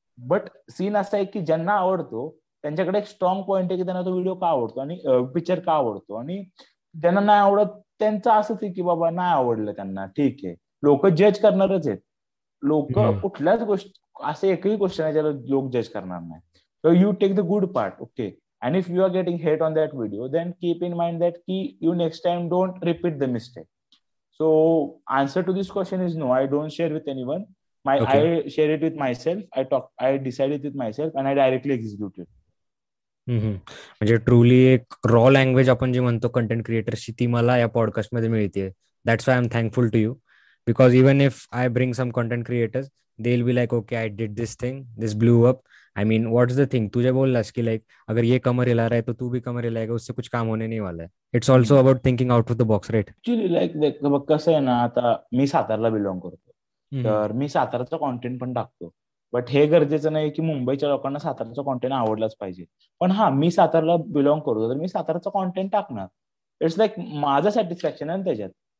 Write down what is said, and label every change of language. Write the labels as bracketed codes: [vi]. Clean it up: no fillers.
[mr] But scene असं आहे की ज्यांना आवडतो त्यांच्याकडे एक स्ट्रॉंग पॉइंट आहे की त्यांना तो व्हिडिओ का आवडतो आणि पिक्चर का आवडतो. आणि ज्यांना नाही आवडत त्यांचं असंच आहे की बाबा नाही आवडलं त्यांना, ठीक आहे. लोक जज करणारच आहेत. लोक कुठल्याच गोष्ट, असं एकही गोष्ट नाही ज्याला लोक जज करणार नाही. [en] So you take the good part, okay. And if you are getting hate on that video, then keep in mind that you next time don't repeat the mistake. So answer to this question is no, I don't share with anyone. I share it with myself. I decide it with myself and I directly execute it. [mr] म्हणजे truly एक raw language आपण जी म्हणतो content क्रिएटरशी, ती मला या पॉडकास्टमध्ये मिळते. [en] That's why I am thankful to you, because even if I bring some content creators, they will be like okay I did this thing, this blew up. I mean what is the thing, [mr] तू जे बोललास की [hi] like अगर ये कमर हिला रहा है तो तू भी कमर हिलाएगा, उससे कुछ काम होने नहीं वाला है. [en] It's also about thinking out of the box, right? [mr] Actually like देख, कसं आहे ना, आता मी सातारला बिलॉंग करतो तर मी सातारचा कॉन्टेंट पण टाकतो, बट हे गरजेचं नाही की मुंबईच्या लोकांना सातारचा कॉन्टेंट आवडलाच पाहिजे. पण हा, मी सातारला बिलॉंग करतो तर मी सातारचा कॉन्टेंट टाकणार. [en] it's like [mr] माझं सॅटिस्फॅक्शन आहे ना त्याच्यात,